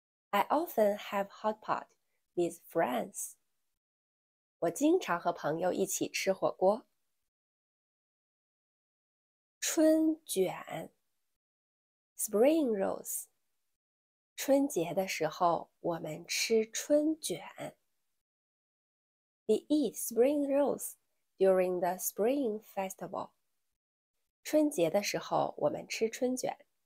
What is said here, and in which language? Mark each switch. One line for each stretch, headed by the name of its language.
English: I often have hot pot with friends.
Chinese: 我经常和朋友一起吃火锅。春卷
English: ,spring rolls.
Chinese: 春节的时候我们吃春卷。
English: We eat spring rolls during the spring festival.
Chinese: 春节的时候我们吃春卷。